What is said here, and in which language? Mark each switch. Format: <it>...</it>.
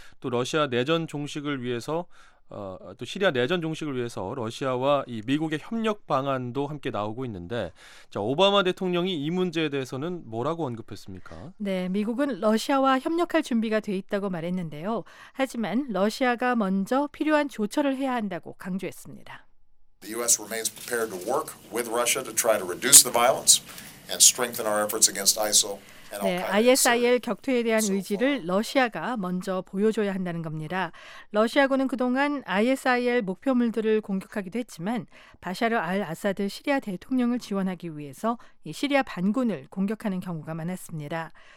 <ko>또 러시아 내전 종식을 위해서 또 시리아 내전 종식을 위해서 러시아와 이 미국의 협력 방안도 함께 나오고 있는데 자, 오바마 대통령이 이 문제에 대해서는 뭐라고 언급했습니까? 네, 미국은 러시아와 협력할 준비가 돼 있다고 말했는데요. 하지만 러시아가 먼저 필요한 조처를 해야 한다고 강조했습니다.</ko> <en>The US remains prepared to work with Russia to try to reduce the violence and strengthen our efforts against ISIL.</en> <ko>네, ISIL 격퇴에 대한 의지를 러시아가 먼저 보여줘야 한다는 겁니다. 러시아군은 그동안 ISIL 목표물들을 공격하기도 했지만 바샤르 알 아사드 시리아 대통령을 지원하기 위해서 이 시리아 반군을 공격하는 경우가 많았습니다.</ko>